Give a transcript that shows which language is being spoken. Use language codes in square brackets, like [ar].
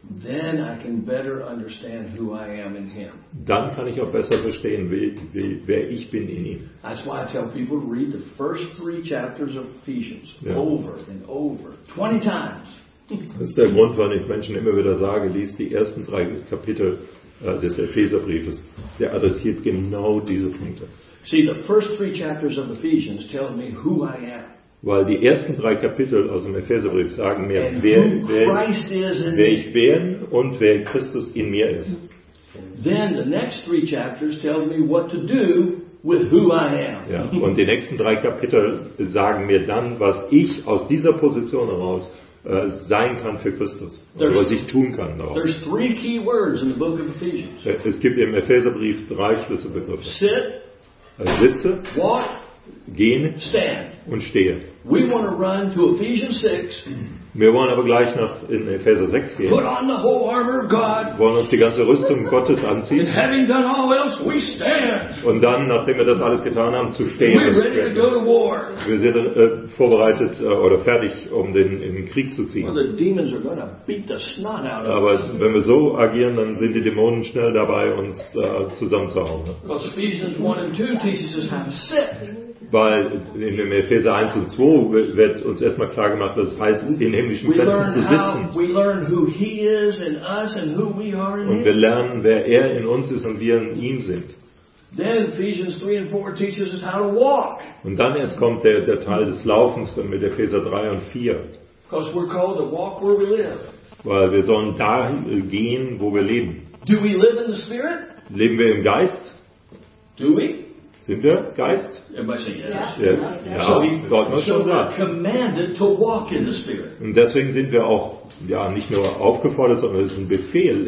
[en] then I can better understand who I am in him. [de] Dann kann ich auch besser verstehen, wer ich bin in ihm. [en] That's why I tell people to read the first three chapters of Ephesians over and over, 20 times. [de] Das ist der Grund, warum ich Menschen immer wieder sage, lies die ersten drei Kapitel des Epheserbriefes. Der adressiert genau diese Punkte. [en] See, the first three chapters of Ephesians tell me who I am. [de] Weil die ersten drei Kapitel aus dem Epheserbrief sagen mir, wer ich bin und wer Christus in mir ist. [en] Then the next three chapters tell me what to do with who I am. [de] Ja, und die nächsten drei Kapitel sagen mir dann, was ich aus dieser Position heraus sein kann für Christus, also was ich tun kann. [en] There's three key words in the book of Ephesians. [de] Es gibt im Epheserbrief drei Schlüsselbegriffe. [en] Sit, [de] also sitze, [en] walk, [de] gehen, [en] stand [de] und stehe. [en] We want to run to Ephesians 6. [de] Wir wollen aber gleich nach in Epheser 6 gehen. [en] Put on the whole armor of God. [de] Wollen uns die ganze Rüstung Gottes anziehen. [en] And having done all else, we stand. [de] Und dann, nachdem wir das alles getan haben, zu stehen. [en] We're ready to go to war. [de] Wir sind vorbereitet oder fertig, um in den Krieg zu ziehen. [en] Well, the demons are gonna beat the snot out of [de] aber [en] us. [de] Wenn wir so agieren, dann sind die Dämonen schnell dabei, uns zusammenzuhauen. [en] Because Ephesians 1 and 2 teaches us how to sit. [de] Weil in dem Epheser 1 und 2 wird uns erstmal klar gemacht, was es heißt, in himmlischen Plätzen zu sitzen. Und wir lernen, wer er in uns ist und wir in ihm sind. [en] Then Ephesians 3 and 4 teaches us how to walk. [de] Und dann erst kommt der Teil des Laufens dann mit Epheser 3 und 4. [en] Because we're called to walk where we live. [de] Weil wir sollen da gehen, wo wir leben. [en] Do we live in the Spirit? [de] Leben wir im Geist? [en] Do we? [de] Sind wir Geist? [en] Everybody say yes. Yes. Commanded to walk in the Spirit. [de] Und deswegen sind wir auch ja nicht nur aufgefordert, sondern es ist ein Befehl,